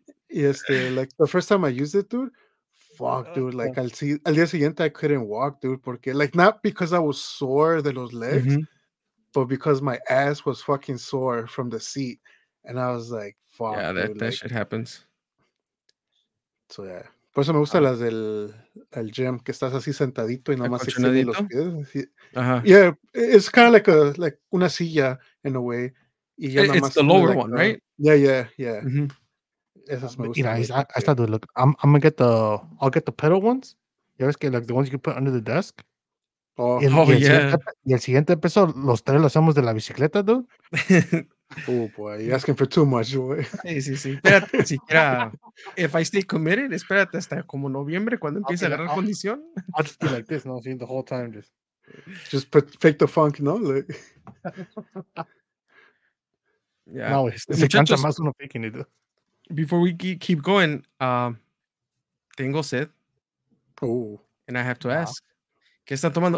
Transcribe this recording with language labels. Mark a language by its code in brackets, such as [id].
[en] Y like, the first time I used it, dude, fuck, dude, like, [es] al día siguiente, [en] I couldn't walk, dude, porque, like, not because I was sore [es] de los [en] legs, but because my ass was fucking sore from the seat, and I was like, fuck, yeah, dude, that shit happens. So, yeah. [es] Por eso me gusta las del gym, que estás así sentadito y nomás extiende los pies. [en] Yeah, it's kind of like [es] una silla, [en] in a way. Y ya it's nomás the lower like, one, right? Yeah. Mm-hmm. I started to look. I'll get the pedal ones. You ever get like the ones you can put under the desk? Oh, yeah. [es] Y el siguiente episodio, los tres lo hacemos de la bicicleta, dude. [en] Oh boy, you're asking for too much, boy. [es] Sí. Espérate, siquiera. [en] If I stay committed, [es] espérate hasta como noviembre cuando empiece a agarrar condición. [en] I'll just be like this, no, the whole time, just perfect the funk, no, like. Yeah. [es] No, se cansa más uno [en] picking it. Before we keep going, [es] tengo sed. [en] Oh. And I have to ask. [es] ¿Qué están tomando?